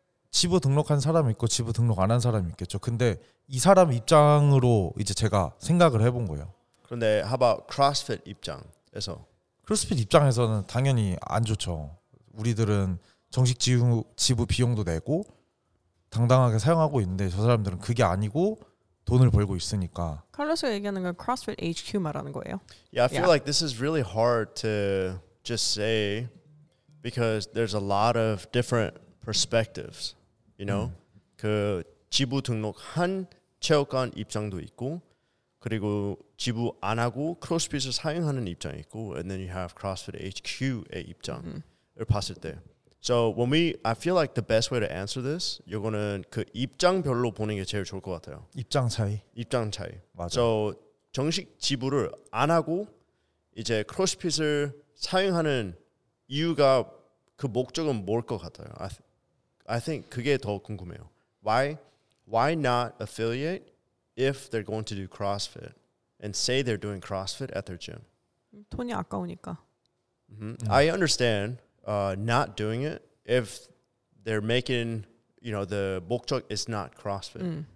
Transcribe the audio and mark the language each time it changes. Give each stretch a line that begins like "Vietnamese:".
Korean: 지부 등록한 사람 있고 지부 등록 안 한 사람 있겠죠. 근데 이 사람 입장으로 이제 제가 생각을 해본 거예요. 그런데
English: how about
Korean: CrossFit 입장에서? CrossFit 입장에서는 당연히 안 좋죠. 우리들은 정식 지부 비용도 내고 당당하게 사용하고 있는데 저 사람들은 그게 아니고 돈을 벌고 있으니까. 칼로스가 얘기하는 건 CrossFit HQ 말하는 거예요?
English: Yeah, I feel like this is really hard to just say because there's a lot of different perspectives, you know?
Korean: 그 지부 등록한 체육관 입장도 있고 그리고 지부 안 하고 크로스핏을 사용하는 입장이 있고
English: and then you have
Korean: CrossFit HQ의 입장을 봤을 때
English: So when we, I feel like the best way to answer this,
Korean: 이거는 그 입장별로 보는 게 제일 좋을 것 같아요. 입장 차이. 입장 차이. 맞아.
English: So
Korean: 정식 지부를 안 하고 이제 크로스핏을 사용하는 이유가 그 목적은 뭘 것 같아요?
English: I think
Korean: 그게 더 궁금해요.
English: Why not affiliate if they're going to do CrossFit and say they're doing CrossFit at their gym?
Korean: 돈이 아까우니까.
English: I understand. Not doing it if they're making, you know, the
Korean: 목적
English: is not CrossFit.